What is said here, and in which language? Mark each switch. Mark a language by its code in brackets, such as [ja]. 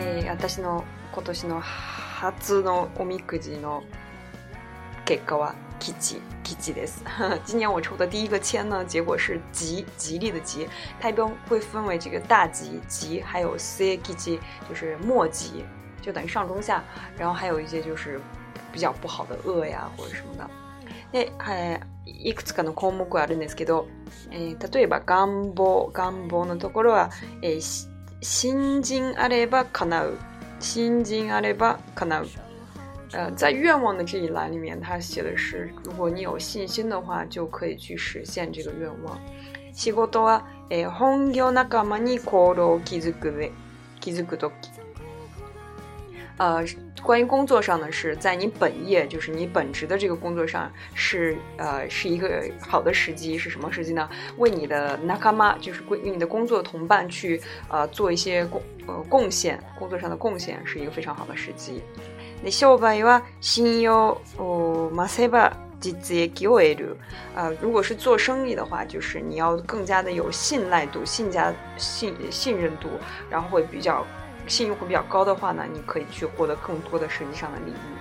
[ja] 私の今年の初のおみくじの結果は吉、吉です。 [zh] 今年我抽的第一个签呢，结果是吉，吉利的吉。它一般会分为这个大吉、吉，还有末吉，就是末吉，就就等于上中下，然后还有一些就是比较不好的恶呀或者什么的。 [ja] で、いくつかの項目あるんですけど、例えば願望のところは、信心あれば叶う、信心あれば叶う。 [zh] 在愿望的这一栏里面，他写的是，如果你有信心的话，就可以去实现这个愿望。 [ja] 仕事は、本業仲間に心を築くとき。 [zh] 关于工作上的是，在你本业，就是你本职的这个工作上，是一个好的时机。是什么时机呢？为你的 nakama， 就是为你的工作同伴去做一些贡献，工作上的贡献是一个非常好的时机。 [ja] で商売は信用を増せば実益を得る。 [zh] 如果是做生意的话，就是你要更加的有信赖度、信任度，然后会比较。信用会比较高的话呢，你可以去获得更多的实际上的利益。